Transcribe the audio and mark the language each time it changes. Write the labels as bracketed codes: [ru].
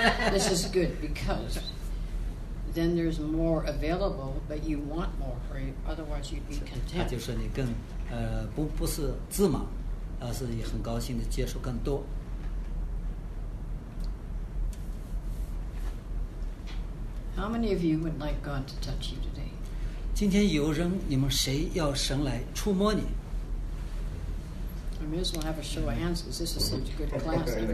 [en] This is good because then there's more available, but you want more, right? Otherwise you'd be content. [zh] 就是你更不是自满，而是也很高兴地接受更多。 [en] How many of you would like God to touch you today? [zh] 今天有人，你们谁要神来触摸你？ [en] I may as well have a show of hands because this is such a good class.